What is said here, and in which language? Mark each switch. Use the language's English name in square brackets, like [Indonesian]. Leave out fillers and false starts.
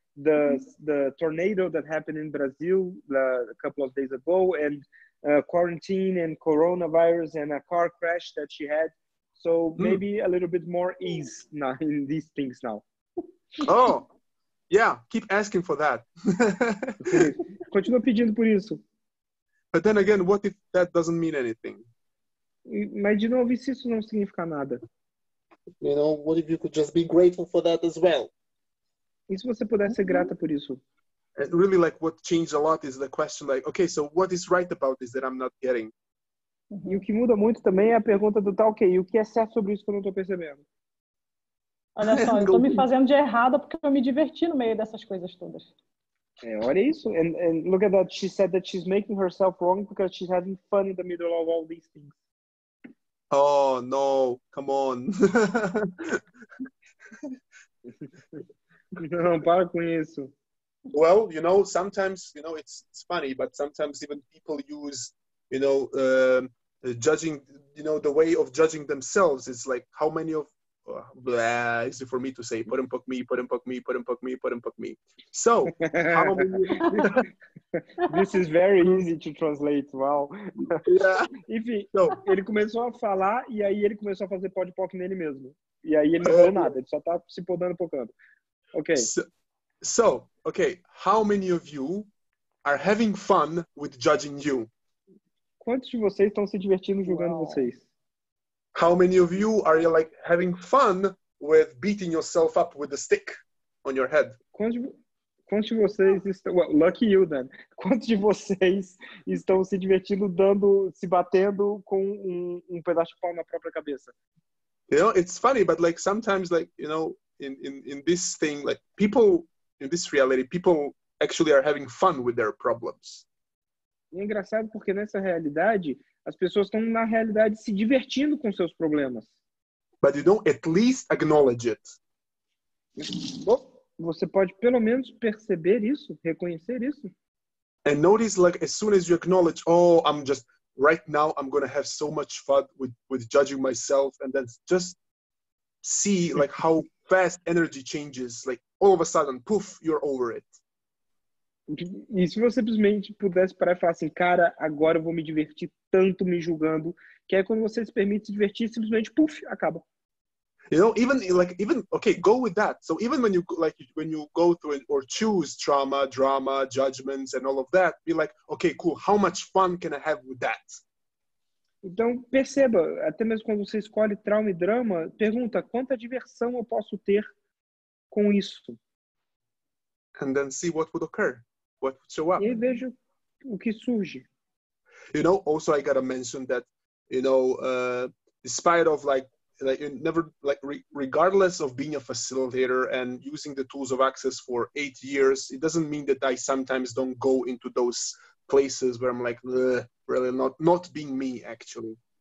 [English] The tornado that happened in Brazil a couple of days ago, and quarantine and coronavirus and a car crash that she had. So maybe a little bit more ease now in these things now. Oh, yeah. Keep asking for that. [Portuguese] Continua pedindo por isso. [English] But then again, what if that doesn't mean anything? [Portuguese] Mas de novo, se isso não significa nada? [English] You know, what if you could just be grateful for that as well? [Portuguese] E se você pudesse ser grata por isso? [English] And really, like, what changed a lot is the question, like, okay, so what is right about this that I'm not getting? [Portuguese] E o que muda muito também é a pergunta do tal, okay, o que é certo sobre isso que eu não tô percebendo? Olha só, eu tô me fazendo de errada porque eu me diverti no meio dessas coisas todas. É, olha isso. [English] And look at that, she said that she's making herself wrong because she's having fun in the middle of all these things. Oh, no, come on. [Portuguese] Não, para com isso. [English] Well, you know, sometimes, you know, it's funny, but sometimes even people use, you know, judging, you know, the way of judging themselves. It's like, how many of, blah, easy for me to say, put him, poke me. So, how many? This is very easy to translate, wow. Yeah. [Portuguese] Enfim, so, ele começou a falar e aí ele começou a fazer pode poke nele mesmo. E aí ele não falou nada, ele só tá se podando e pocando. [English] Okay. So, how many of you are having fun with judging you? [Portuguese] Quantos de vocês estão se divertindo julgando vocês? [English] How many of you are you like having fun with beating yourself up with a stick on your head? [Portuguese] Quantos quantos de vocês estão... [English] Well, lucky you, then. [Portuguese] Quantos de vocês estão se divertindo dando, se batendo com um pedaço de pau na própria cabeça? [English] You know, it's funny, but like sometimes, like, you know, in this thing, like people, in this reality, people actually are having fun with their problems. [Portuguese] É engraçado porque nessa realidade, as pessoas estão na realidade se divertindo com seus problemas. [English] But you don't at least acknowledge it. [Portuguese] Você pode pelo menos perceber isso, reconhecer isso. [English] And notice, like, as soon as you acknowledge, oh, I'm just, right now, I'm going to have so much fun with judging myself, and then just see, like, how fast energy changes, like, all of a sudden, poof, you're over it. [Portuguese] E se você simplesmente pudesse parar e falar assim, cara, agora eu vou me divertir tanto me julgando, que é quando você se permite se divertir, simplesmente, puff, acaba. [English] You know, even like, even okay, go with that. So even when you like, when you go through it or choose trauma, drama, judgments, and all of that, be like, okay, cool. How much fun can I have with that? [Portuguese] Então perceba, até mesmo quando você escolhe trauma e drama, pergunta quanta diversão eu posso ter com isso. [English] And then see what would occur, what would show up. [Portuguese] E vejo o que surge. [English] You know, also I gotta mention that, you know, despite of like. Like never, like regardless of being a facilitator and using the tools of access for 8 years, it doesn't mean that I sometimes don't go into those places where I'm like, really not being me, actually.